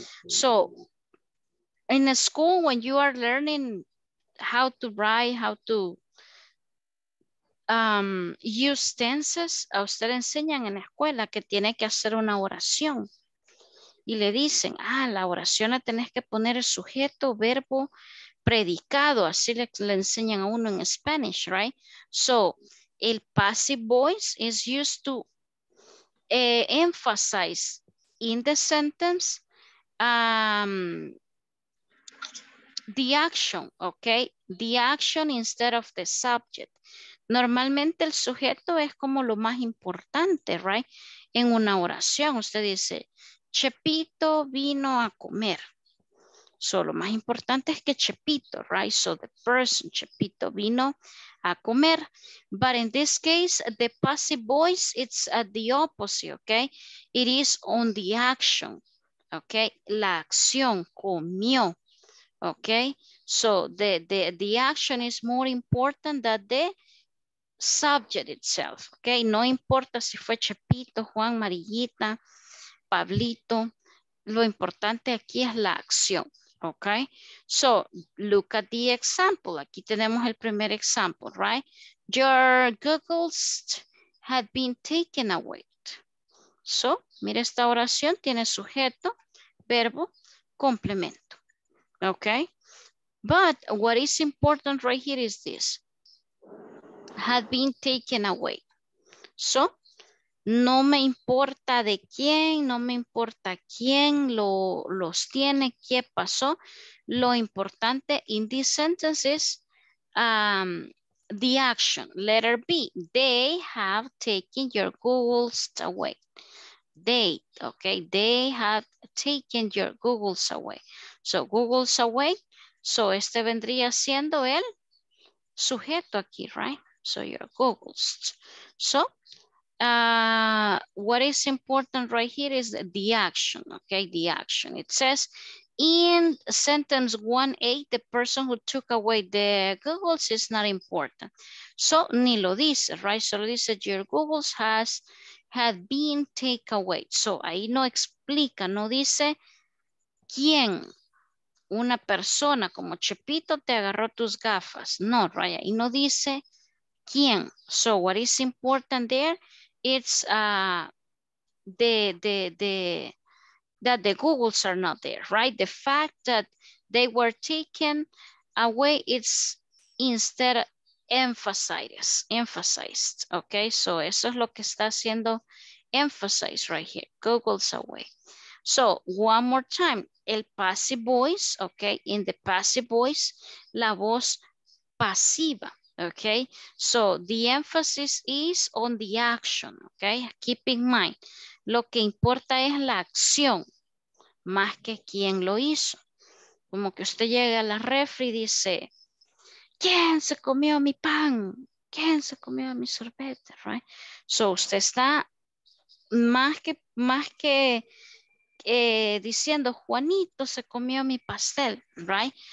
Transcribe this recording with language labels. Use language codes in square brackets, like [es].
[en] So in a school, when you are learning how to write, how to use tenses, [es] a usted enseñan en la escuela que tiene que hacer una oración y le dicen, ah, la oración la tenés que poner el sujeto, verbo, predicado, así le enseñan a uno en Spanish, right? [en] So el passive voice is used to emphasize in the sentence the action, okay? The action instead of the subject. [es] Normalmente el sujeto es como lo más importante, right? En una oración, usted dice, Chepito vino a comer. So lo más importante es que Chepito, right? [en] So the person, [es] Chepito vino a comer. [en] But in this case, the passive voice, it's the opposite, okay? It is on the action, okay? [es] La acción, comió, [en] okay? So the action is more important than the subject itself, okay? [es] No importa si fue Chepito, Juan, Marillita, Pablito. Lo importante aquí es la acción. [en] Okay, so look at the example. [es] Aquí tenemos el primer [en] example, right? Your googles had been taken away. [es] So, mira esta oración, tiene sujeto, verbo, complemento. [en] Okay, but what is important right here is this. Had been taken away. [es] So, no me importa de quién, no me importa quién los tiene, qué pasó. Lo importante [en] in this sentence is the action. Letter B, they have taken your Googles away. They, okay, they have taken your Googles away. So Googles away, [es] so este vendría siendo el sujeto aquí, right? [en] So your Googles. So, what is important right here is the action, okay? The action. It says in sentence 1A, the person who took away the Googles is not important. So, [es] ni lo dice, [en] right? So, dice your Googles had been taken away. [es] So, ahí no explica, no dice quién, una persona como Chepito te agarró tus gafas. [en] No, right? [es] Ahí no dice quién. [en] So, what is important there? It's that the Googles are not there, right? The fact that they were taken away, it's instead emphasized, okay? [es] So eso es lo que está haciendo [en] emphasize right here, Googles away. So, one more time. El passive voice, okay? In the passive voice, [es] la voz pasiva, [en] okay? So, the emphasis is on the action, okay? Keep in mind. [es] Lo que importa es la acción, más que quién lo hizo. Como que usted llega a la refri y dice, ¿quién se comió mi pan? ¿Quién se comió mi sorbete? Right? So, usted está más que diciendo, Juanito se comió mi pastel, right?